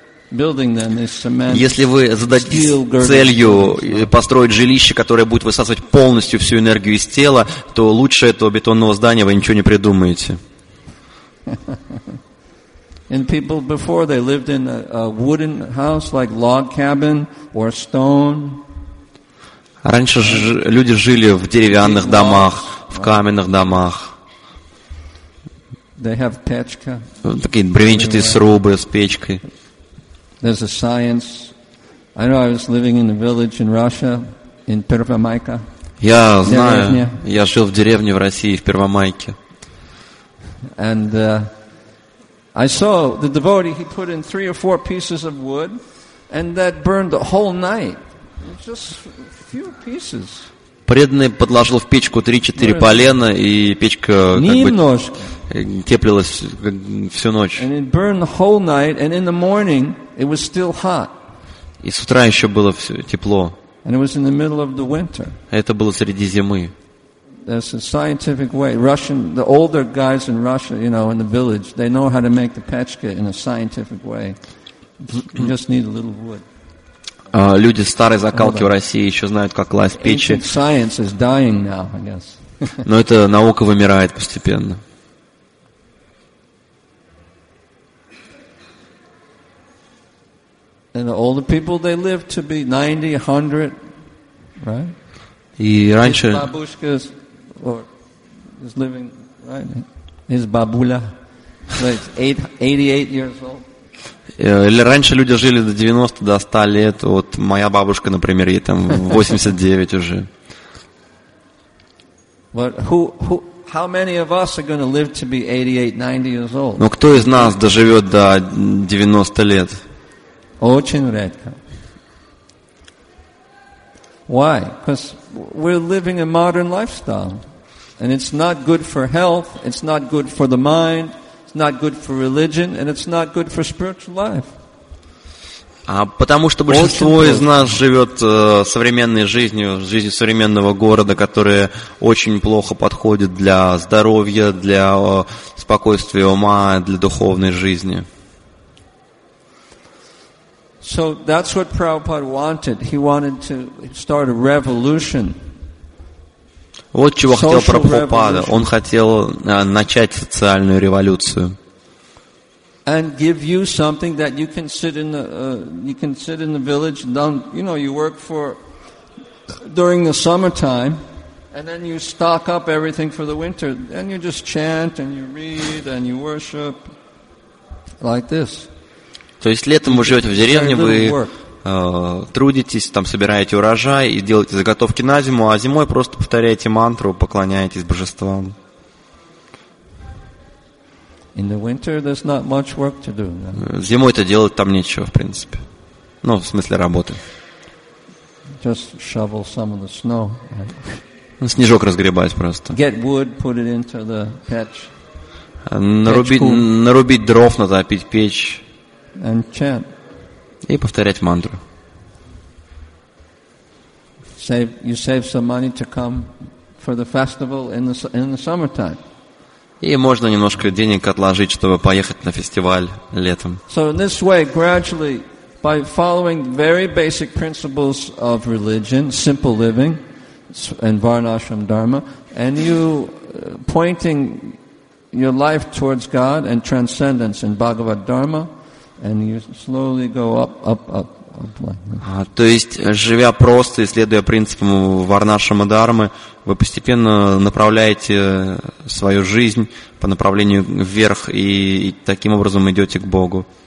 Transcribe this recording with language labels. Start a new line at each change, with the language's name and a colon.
Russian: Если вы зададитесь целью построить жилище, которое будет высасывать полностью всю энергию из тела, то лучше этого бетонного здания вы ничего не придумаете.
English: And people before, they lived in a wooden house like log cabin or stone.
Russian: Раньше люди жили в деревянных домах, в каменных домах.
English: They have печка.
Russian: Такие бревенчатые срубы с печкой.
English: There's a science. I know I was living in a village in Russia, in Первомайка.
Russian: Я знаю, я жил в деревне в России, в Первомайке.
English: And I saw the devotee, he put in three or four pieces of wood, and that burned the whole night. Just a few pieces.
Russian: Преданный подложил в печку 3-4 полена, и печка как бы теплилась всю ночь.
English: And it burned the whole night, and in the morning it was still hot.
Russian: И с утра еще было все тепло.
English: And it was in the middle of the winter.
Russian: Это было среди зимы.
English: There's a scientific way. Russian, the older guys in Russia, you know, in the village, they know how to make the pechka in a scientific way. You just need a little wood.
Russian: Люди старой закалки в России еще знают, как класть печи.
English: Ancient science is dying now, I guess.
Russian: Но эта наука вымирает постепенно.
English: And the older people, they live to be 90, 100, right?
Russian: И раньше...
English: His бабушка is living, right? His бабуля. So it's 88 years old.
Russian: Раньше люди жили до 90, до 100 лет. Вот моя бабушка, например, ей там 89 уже.
English: But who how many of us are going to live to be 88, 90 years old?
Russian: Но кто из нас доживет до 90 лет? Очень редко.
English: Why? Because we're living a modern lifestyle. And it's not good for health, it's not good for the mind, it's not good for religion, and it's not good for spiritual life.
Russian: А потому что большинство из нас живет современной жизнью, жизнью современного города, которая очень плохо подходит для здоровья, для спокойствия ума, для духовной жизни.
English: So that's what Prabhupada wanted. He wanted to start a revolution.
Russian: Вот чего хотел Прабхупада. Он хотел начать социальную революцию.
English: And give you something that you can sit in the you can sit in the village and don't, you know, you work for during the summertime and then you stock up everything for the winter. Then you just chant and you read and you worship like this.
Russian: То есть летом вы живете в деревне, вы трудитесь, там собираете урожай и делаете заготовки на зиму, а зимой просто повторяете мантру, поклоняетесь божествам.
English: In the winter, there's not much work to do, no?
Russian: Зимой-то делать там нечего, в принципе. Ну, в смысле работы.
English: Just shovel some of the snow, right?
Russian: Снежок разгребать просто.
English: Get wood, put it into the patch.
Russian: Нарубить дров, натопить печь.
English: And chant.
Russian: И повторять мантру.
English: You save some money to come for the festival in the summertime.
Russian: И можно немножко денег отложить, чтобы поехать на фестиваль летом.
English: So in this way, gradually, by following very basic principles of religion, simple living, and Varnashram Dharma, and you pointing your life towards God and transcendence in Bhagavad Dharma. And you slowly go up like this.
Russian: То есть, живя просто, следуя принципам Варнашрама Дхармы, вы постепенно направляете свою жизнь по направлению вверх и таким образом идете к Богу.